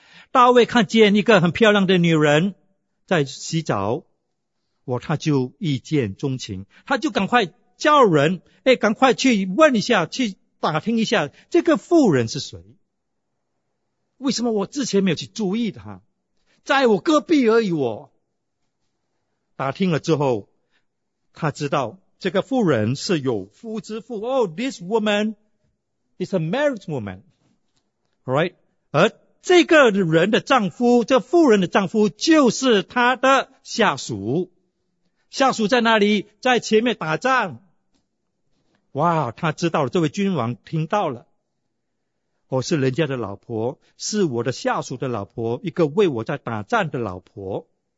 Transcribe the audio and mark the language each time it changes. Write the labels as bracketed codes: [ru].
[zh] 大卫看见一个很漂亮的女人在洗澡，我他就一见钟情，他就赶快叫人，哎，赶快去问一下，去打听一下这个妇人是谁，为什么我之前没有去注意她，在我隔壁而已。我打听了之后，他知道这个妇人是有夫之妇。 [en] Oh, this woman is a married woman. Alright? [zh] 而这个人的丈夫，这妇人的丈夫就是他的下属。下属在哪里？在前面打仗。哇，他知道了，这位君王听到了。我是人家的老婆，是我的下属的老婆，一个为我在打仗的老婆。